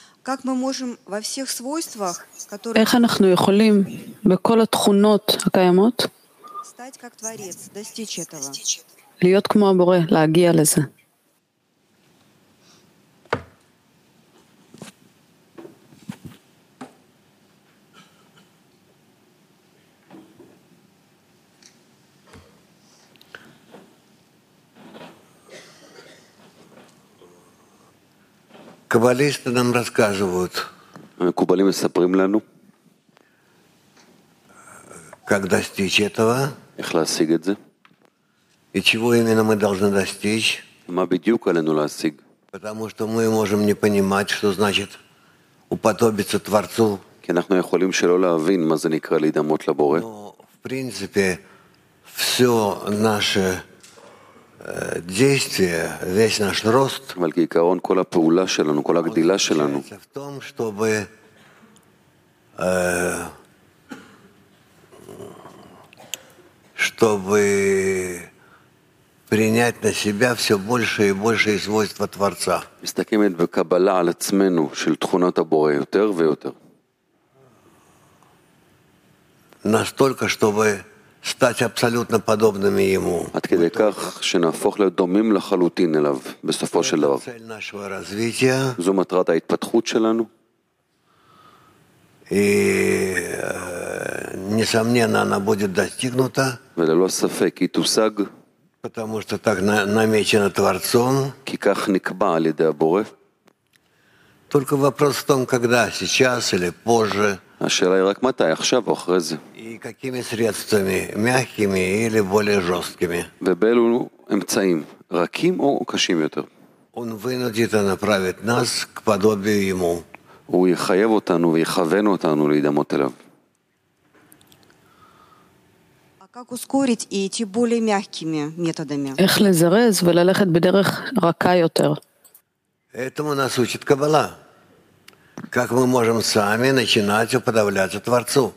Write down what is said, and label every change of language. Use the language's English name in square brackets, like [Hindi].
[Russian] Как мы можем во всех свойствах, которые [Hebrew] איך אנחנו יכולים בכל התכונות הקיימות [Russian] стать как творец, достичь этого? [Hebrew] להיות כמו הבורא, להגיע לזה. קבליסטים רק רשכזות מקובלים מספרים לנו [Russian] как достичь этого? [Hebrew] איך להשיג את זה? [Russian] И чего именно мы должны достичь? [Hebrew] מה בדיוק עלינו להשיג? [Russian] Потому что мы можем не понимать, что значит уподобиться Творцу. [Hebrew] כי אנחנו יכולים שלא להבין מה זה נקרא להידמות לבורא. [Russian] Но в принципе все наше действие, весь наш рост, [Hebrew] אבל כעיקרון כל הפעולה שלנו, כל הגדילה שלנו, [Russian] в том, чтобы чтобы принять на себя всё больше и больше из свойства творца. [Hebrew] מסתכמת בקבלה על עצמנו של תכונות הבורא יותר ויותר. [Russian] Настолько, чтобы стать абсолютно подобными ему. [Hebrew] עד כדי כך שנהפוך להיות דומים לחלוטין אליו בסופו של דבר. [Russian] цель нашего развития. [Hebrew] זו מטרת ההתפתחות שלנו. [Russian] И несомненно она будет достигнута. [Hebrew] וללא ספק היא תושג. [Russian] Потому что так намечено творцом. [Hebrew] כי כך נקבע על ידי הבורא. [Russian] Только вопрос в том, когда, сейчас или позже. [Hebrew] השאלה היא רק מתי, עכשיו או אחרי זה. [Russian] И какими средствами, мягкими или более жесткими. [Hebrew] ובאילו אמצעים, רכים או קשים יותר. [Russian] Он вынудит направить нас к подобию ему. [Hebrew] הוא יחייב אותנו ויכוון אותנו להידמות אליו. [Russian] Как ускорить и идти более мягкими методами? [Hebrew] איך לזרז וללכת בדרך רכה יותר? [Russian] Этому нас учит Кабала. Как мы можем сами начинать уподобляться Творцу?